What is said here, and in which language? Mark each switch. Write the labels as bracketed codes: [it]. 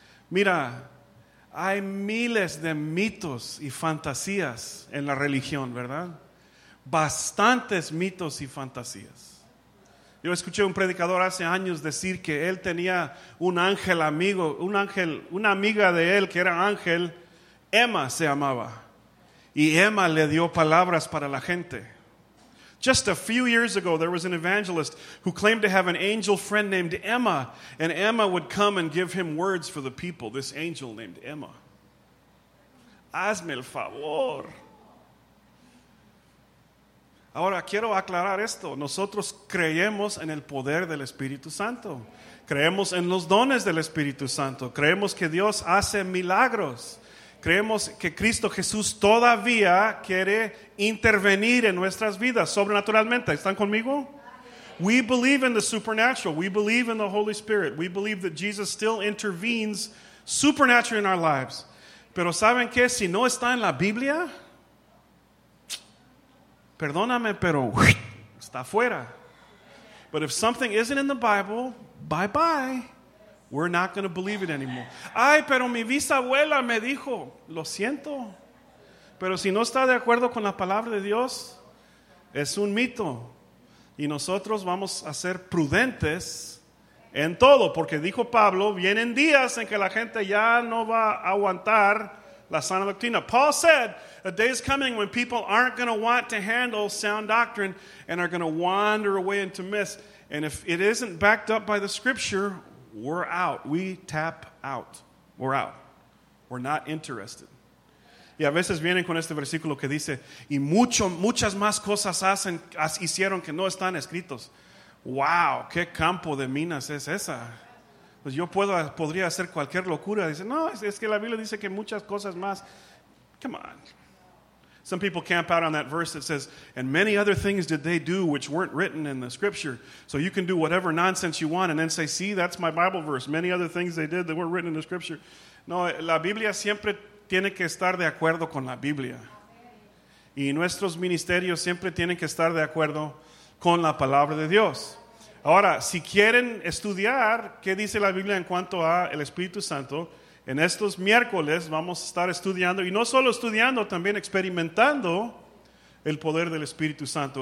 [es] Mira, hay miles de mitos y fantasías en la religión, ¿verdad? Bastantes mitos y fantasías. Yo escuché un predicador hace años decir que él tenía un ángel amigo, un ángel, una amiga de él que era ángel, Emma se llamaba. Y Emma le dio palabras para la gente. [en] Just a few years ago, there was an evangelist who claimed to have an angel friend named Emma, and Emma would come and give him words for the people, this angel named Emma. [es] Hazme el favor. Ahora, quiero aclarar esto. Nosotros creemos en el poder del Espíritu Santo. Creemos en los dones del Espíritu Santo. Creemos que Dios hace milagros. Creemos que Cristo Jesús todavía quiere intervenir en nuestras vidas sobrenaturalmente. ¿Están conmigo? [en] We believe in the supernatural. We believe in the Holy Spirit. We believe that Jesus still intervenes supernaturally in our lives. [es] Pero ¿saben qué? Si no está en la Biblia, perdóname, pero está fuera. [en] But if something isn't in the Bible, bye-bye. We're not going to believe it anymore. [es] Ay, pero mi bisabuela me dijo, lo siento. Pero si no está de acuerdo con la palabra de Dios, es un mito. Y nosotros vamos a ser prudentes en todo. Porque dijo Pablo, vienen días en que la gente ya no va a aguantar la sana doctrina. [en] Paul said, a day is coming when people aren't going to want to handle sound doctrine and are going to wander away into myths. And if it isn't backed up by the scripture, we're out. We tap out. We're out. We're not interested. [es] Y a veces vienen con este versículo que dice, y muchas más cosas hicieron que no están escritos. Wow, qué campo de minas es esa. Pues yo podría hacer cualquier locura. Dice, no, es que la Biblia dice que muchas cosas más. [en] Come on. Some people camp out on that verse that says, and many other things did they do which weren't written in the scripture. So you can do whatever nonsense you want and then say, see, that's my Bible verse. Many other things they did that weren't written in the scripture. [es] No, la Biblia siempre tiene que estar de acuerdo con la Biblia. Y nuestros ministerios siempre tienen que estar de acuerdo con la palabra de Dios. Ahora, si quieren estudiar qué dice la Biblia en cuanto a el Espíritu Santo, en estos miércoles vamos a estar estudiando, y no solo estudiando, también experimentando el poder del Espíritu Santo.